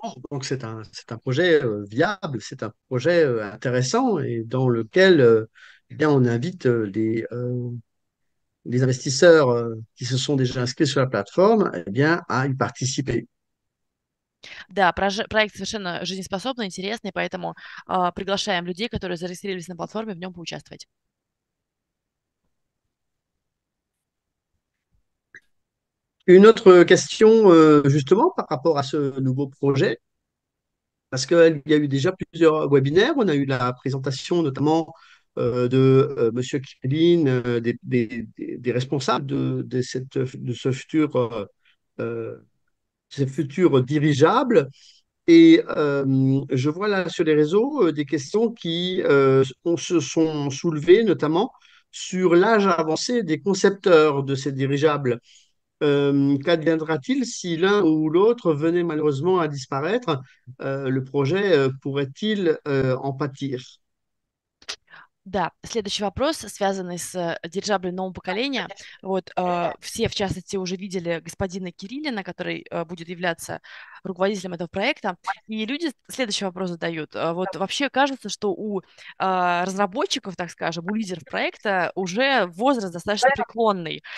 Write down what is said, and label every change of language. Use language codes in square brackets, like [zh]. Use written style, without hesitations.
[fr] Donc c'est un projet viable, c'est un projet intéressant et dans lequel eh bien, on invite les investisseurs qui se sont déjà inscrits sur la plateforme eh bien, à y participer. [ru] Да, проект совершенно жизнеспособный, интересный, поэтому приглашаем людей, которые зарегистрировались на платформе, в нем поучаствовать. [fr] Une autre question justement par rapport à ce nouveau projet, parce qu'il y a eu déjà plusieurs webinaires, on a eu la présentation notamment de Monsieur Kirilin, des responsables de ce futur dirigeable. Et je vois là sur les réseaux des questions qui se sont soulevées, notamment sur l'âge avancé des concepteurs de ces dirigeables. Qu'adviendra-t-il si l'un ou l'autre venait malheureusement à disparaître? Le projet pourrait-il en pâtir? [ru] Да, следующий вопрос, связанный с дирижаблем нового поколения. Вот, все, в частности, уже видели господина Кириллина, который будет являться руководителем этого проекта. И люди следующий вопрос задают. Вот, вообще кажется, что у разработчиков, так скажем, у лидеров проекта уже возраст достаточно преклонный.